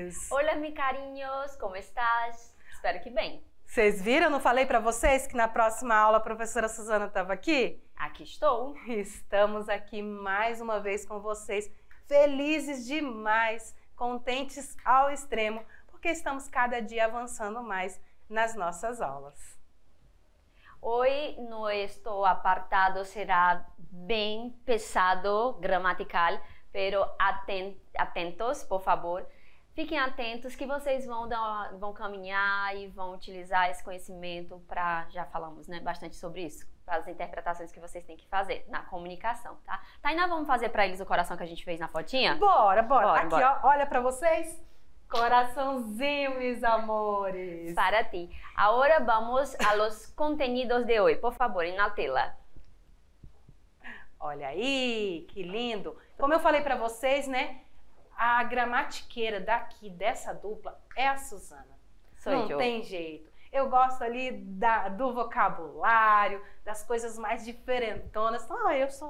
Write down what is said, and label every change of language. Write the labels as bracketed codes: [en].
[es] Hola, mi cariños, ¿cómo estás? [pt] Espero que bem. Vocês viram? Não falei para vocês que na próxima aula a professora Suzana estava aqui? Aqui estou. Estamos aqui mais uma vez com vocês, felizes demais, contentes ao extremo, porque estamos cada dia avançando mais nas nossas aulas. [es] Hoy nuestro apartado será bien pesado gramatical, pero atentos, por favor. [pt] Fiquem atentos que vocês vão caminhar e vão utilizar esse conhecimento para, já falamos, né, bastante sobre isso, para as interpretações que vocês têm que fazer na comunicação, tá? Tainá, vamos fazer para eles o coração que a gente fez na fotinha? Bora, bora. Bora, Aqui, bora. ó, olha para vocês. Coraçãozinho, meus amores. Para ti. [es] Ahora vamos a los contenidos de hoy. Por favor, en la tela. [pt] Olha aí, que lindo. Como eu falei para vocês, né? A gramatiqueira daqui dessa dupla é a Suzana. [es] Soy [pt] Não [es] yo. [pt] tem jeito. Eu gosto ali do vocabulário, das coisas mais diferentonas. Ah, eu sou